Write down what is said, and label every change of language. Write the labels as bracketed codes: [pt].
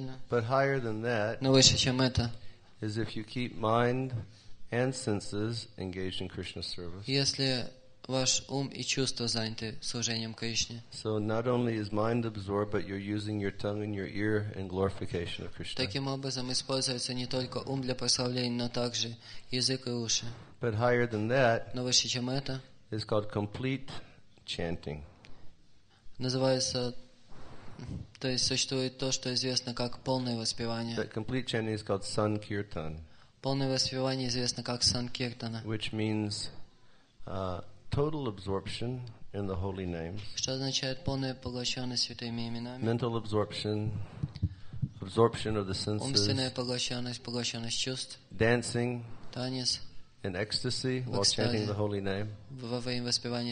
[en] But higher than that is if you keep mind and senses engaged in Krishna service. [ru] Ваш ум и чувства заняты служением Кришне. [en] So not only is mind absorbed, but you're using your tongue and your ear in glorification of Krishna. [ru] Таким образом используется не только ум для прославления, но также язык и уши. [en] But higher than that, [ru] но выше чем это, [en] is called complete chanting. [ru] Называется, то есть существует то, что известно как полное воспевание. [en] That complete chanting is called sankirtan. [ru] Полное воспевание известно как санкиртана. [en] Which means total absorption in the holy names, mental absorption, absorption of the senses, dancing in ecstasy while chanting the holy name.